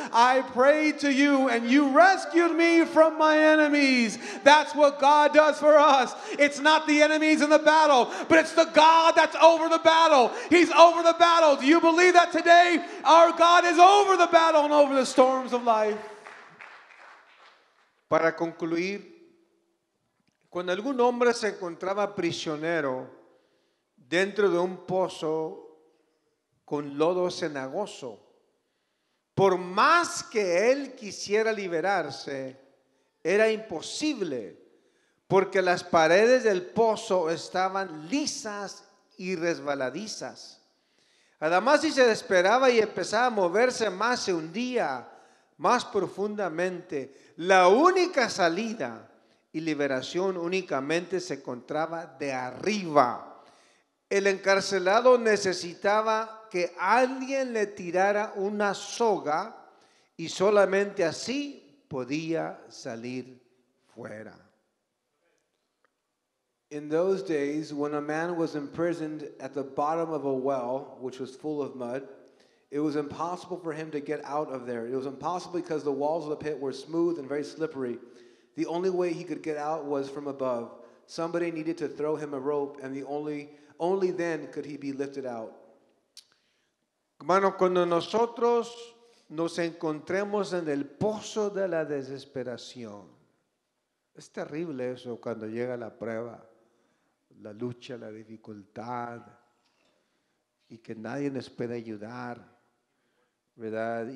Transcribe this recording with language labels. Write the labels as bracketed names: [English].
[English] I pray to you, and you rescued me from my enemies." That's what God does for us. It's not the enemies in the battle, but it's the God that's over the battle. He's over the battle. Do you believe that today? Our God is over the battle and over the storms of life. [Spanish] Para concluir, cuando algún hombre se encontraba prisionero dentro de un pozo con lodo cenagoso, por más que él quisiera liberarse, era imposible, porque las paredes del pozo estaban lisas y resbaladizas. Además, si se desesperaba y empezaba a moverse más, se hundía más profundamente. La única salida y liberación únicamente se encontraba de arriba. El encarcelado necesitaba que alguien le tirara una soga y solamente así podía salir fuera. [English] In those days, when a man was imprisoned at the bottom of a well, which was full of mud, it was impossible for him to get out of there. It was impossible because the walls of the pit were smooth and very slippery. The only way he could get out was from above. Somebody needed to throw him a rope, and only then could he be lifted out. [Spanish] Hermano, cuando nosotros nos encontremos en el pozo de la desesperación, es terrible eso cuando llega la prueba, la lucha, la dificultad, y que nadie nos puede ayudar, ¿verdad?